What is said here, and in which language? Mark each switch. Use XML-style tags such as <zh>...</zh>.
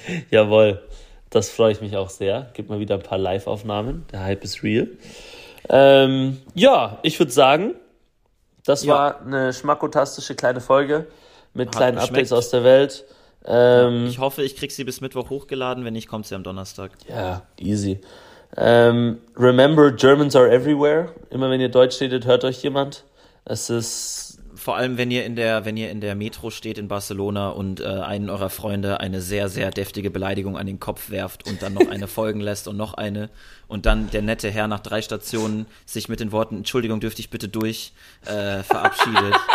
<de>Jawohl, das freue ich mich auch sehr. Gib mal wieder ein paar Live-Aufnahmen. Der Hype ist real. Ja, ich würde sagen, das war eine schmackotastische kleine Folge mit kleinen Updates aus der Welt. Ich hoffe, ich krieg sie bis Mittwoch hochgeladen. Wenn nicht, kommt sie am Donnerstag. Ja, easy.</de> <en>Remember, Germans are everywhere.</en> <de>Immer wenn ihr Deutsch redet, hört euch jemand. Es ist vor allem, wenn ihr in der Metro steht in Barcelona und einen eurer Freunde eine sehr, sehr deftige Beleidigung an den Kopf werft und dann noch eine folgen lässt und noch eine und dann der nette Herr nach drei Stationen sich mit den Worten Entschuldigung, dürfte ich bitte durch verabschiedet.</de>